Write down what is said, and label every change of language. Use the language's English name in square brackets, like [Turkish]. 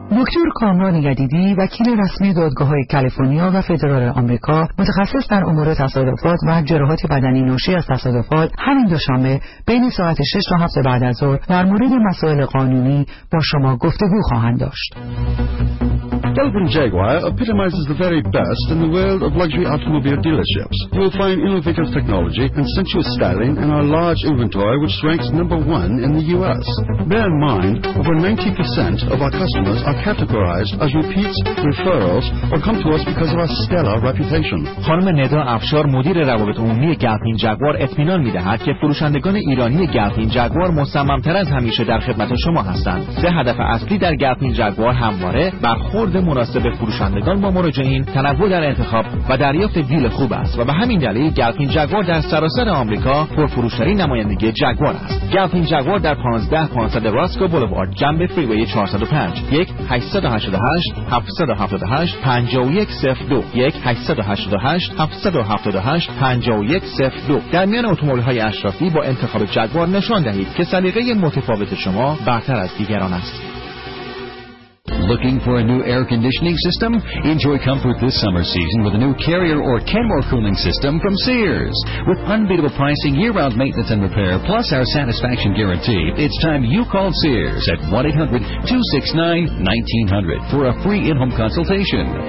[Persian] دکتر کامران یدیدی، وکیل رسمی دادگاه‌های کالیفرنیا و فدرال آمریکا، متخصص در امور تصادفات و جراحات بدنی ناشی از تصادفات، همین دوشنبه بین ساعت 6 تا 7 بعد از ظهر در مورد مسائل قانونی با شما گفتگو خواهند داشت. [English] Delvin Jaguar epitomizes the very best in the world of luxury automobile dealerships. You will find innovative technology and sensuous styling in our large inventory, which ranks number one in the U.S. Bear in mind, over 90% of our customers are categorized as repeats, referrals, or come to us because of our stellar reputation. [Persian] خانم ندا افشار، مدیر روابط عمومی گلفین جگوار، اطمینان می‌دهد که فروشندگان ایرانی گلفین جگوار مصمم‌تر از همیشه در خدمت شما هستند. سه هدف اصلی در گلفین جگوار همواره برخورد مناسب فروشندگان با مراجعین، تنوع در انتخاب و دریافت دیل خوب است و به همین دلیل گلفین جگوار در سراسر آمریکا پرفروش‌ترین نمایندگی جگوار است. گلفین جگوار در 15500 راسکو بولوارد جنب فریوی 405 1-888-778-5102 1-888-778-5102 در میان اتومبیل‌های اشرافی با انتخاب جگوار نشان دهید که سلیقه متفاوت شما برتر از دیگران است. [English] Looking for a new air conditioning system? Enjoy comfort this summer season with a new Carrier or Kenmore cooling system from Sears. With unbeatable pricing, year-round maintenance and repair, plus our satisfaction guarantee, it's time you called Sears at 1-800-269-1900 for a free in-home consultation.